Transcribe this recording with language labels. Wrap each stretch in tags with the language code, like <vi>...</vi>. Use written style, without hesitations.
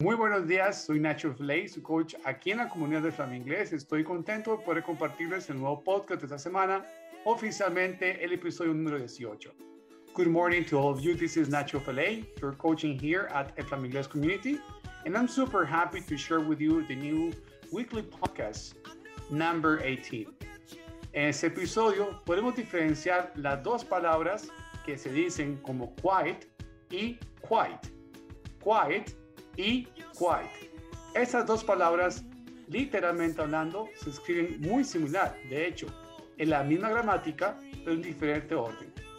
<es>Muy buenos días, soy Nacho Flay, su coach aquí en la comunidad de Flamme Inglés. Estoy contento de poder compartirles el nuevo podcast de esta semana, oficialmente el episodio número 18.</es> <en>Good morning to all of you, this is Nacho Flay, your coaching here at the Flamme Inglés community, and I'm super happy to share with you the new weekly podcast, number 18.</en> <es>En este episodio podemos diferenciar las dos palabras que se dicen como quiet y quiet. Quiet y quiet. Estas dos palabras, literalmente hablando, se escriben muy similar. De hecho, en la misma gramática, pero en diferente orden.</es>